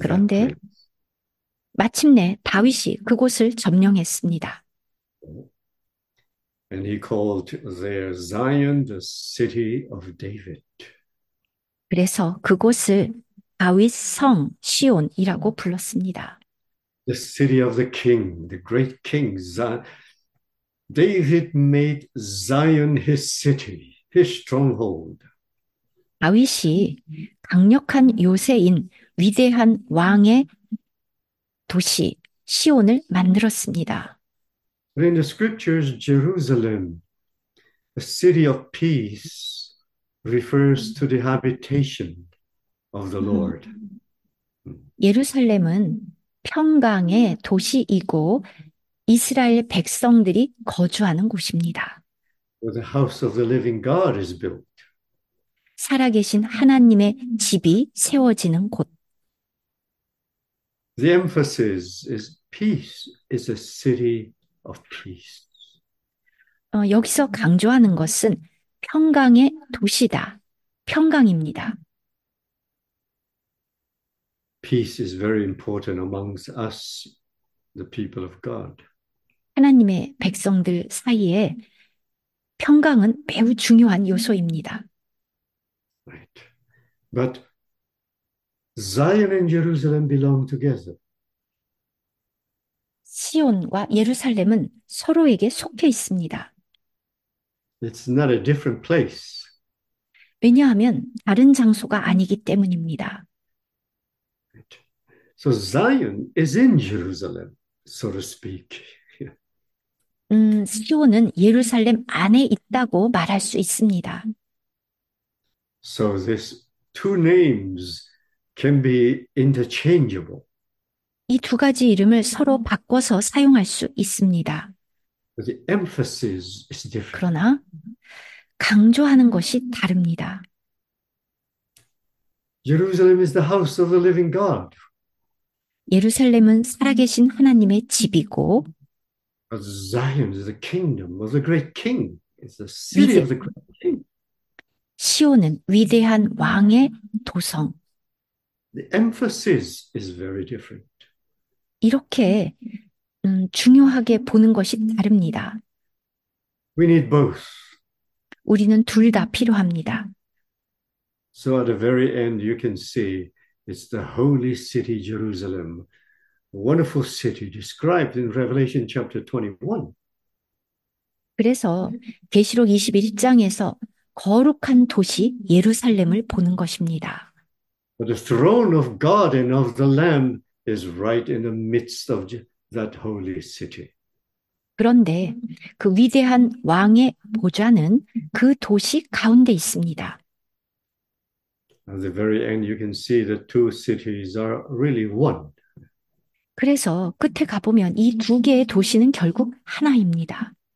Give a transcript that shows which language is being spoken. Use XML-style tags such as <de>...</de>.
<ko>그런데</ko> <en>place.</en> <ko>마침내 다윗이 그곳을 점령했습니다.</ko> <en>And he called there Zion, the city of David.</en> <ko>그래서 그곳을 다윗성 시온이라고 불렀습니다.</ko> <en>The city of the king, the great king, Zion. David made Zion his city, his stronghold.</en> <ko>다윗이 강력한 요새인 위대한 왕의 도시 시온을 만들었습니다.</ko> <en>But in the scriptures, Jerusalem, the city of peace, refers to the habitation of the Lord.</en> <ko>예루살렘은 평강의 도시이고 이스라엘 백성들이 거주하는 곳입니다.</ko> <en>Where the house of the living God is built.</en> <ko>살아계신 하나님의 집이 세워지는 곳.</ko> <en>The emphasis is peace is a city of peace.</en> <ko>여기서 강조하는 것은 평강의 도시다. 평강입니다.</ko> <en>Peace is very important amongst us, the people of God.</en> <ko>하나님의 백성들 사이에 평강은 매우 중요한 요소입니다.</ko> <en>But Zion and Jerusalem belong together.</en> <ko>시온과 예루살렘은 서로에게 속해 있습니다.</ko> <en>It's not a different place.</en> <ko>왜냐하면 다른 장소가 아니기 때문입니다.</ko> <en>So Zion is in Jerusalem, so to speak.</en> <ko>시온은 예루살렘 안에 있다고 말할 수 있습니다.</ko> <en>So these two names can be interchangeable.</en> <ko>이두 가지 이름을 서로 바꿔서 사용할 수 있습니다.</ko> <en>But the emphasis is different.</en> <ko>그러나 강조하는 것이 다릅니다.</ko> <en>Jerusalem is the house of the living God.</en> <ko>예루살렘은 살아계신 하나님의 집이고,</ko> <en>But Zion is the kingdom of the great king. It's the city of the great king.</en> <ko>시온은 위대한 왕의 도성.</ko> <en>The emphasis is very different.</en> <ko>이렇게 중요하게 보는 것이 다릅니다.</ko> <en>We need both.</en> <ko>우리는 둘다 필요합니다.</ko> <en>So, at the very end, you can see it's the holy city, Jerusalem, wonderful city described in Revelation chapter 21.</en> <ko>그래서 계시록 21장에서 거룩한 도시 예루살렘을 보는 것입니다.</ko> <en>But the throne of God and of the Lamb is right in the midst of that holy city.</en> <ko>그런데 그 위대한 왕의 보좌는 그 도시 가운데 있습니다.</ko> <en>At the very end, you can see the two cities are really one.</en> <ko>그래서 끝에 가보면 이두 개의 도시는 결국 하나입니다.</ko>